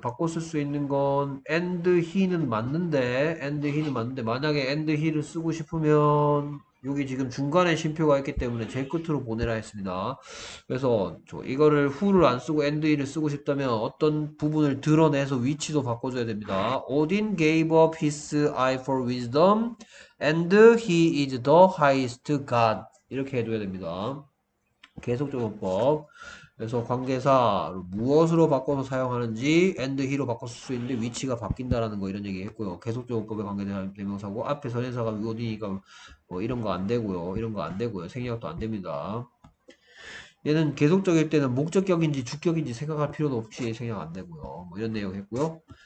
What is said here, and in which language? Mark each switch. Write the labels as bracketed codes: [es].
[ko] 바꿔 쓸수 있는 건 [en] and he [ko] 는 맞는데, manage and he를 쓰고 싶으면 여기 지금 중간에 쉼표가 있기 때문에 제일 끝으로 보내라 했습니다. 그래서 저 이거를 who를 안 쓰고 [en] and he [ko] 를 쓰고 싶다면 어떤 부분을 드러내서 위치도 바꿔줘야 됩니다. [en] Odin gave up his eye for wisdom and he is the highest god. [ko] 이렇게 해줘야 됩니다. 계속적용법. 그래서 관계사를 무엇으로 바꿔서 사용하는지 [en] and he [ko] 로 바꿔 쓸수 있는데 위치가 바뀐다라는 거 이런 얘기 했고요. 계속적용법에 관계된 대명사고 앞에 선행사가 유효이니까 뭐 이런 거안 되고요. 이런 거안 되고요. 생략도 안 됩니다. 얘는 계속적일 때는 목적격인지 주격인지 생각할 필요도 없이 생략 안 되고요. 뭐 이런 내용 했고요.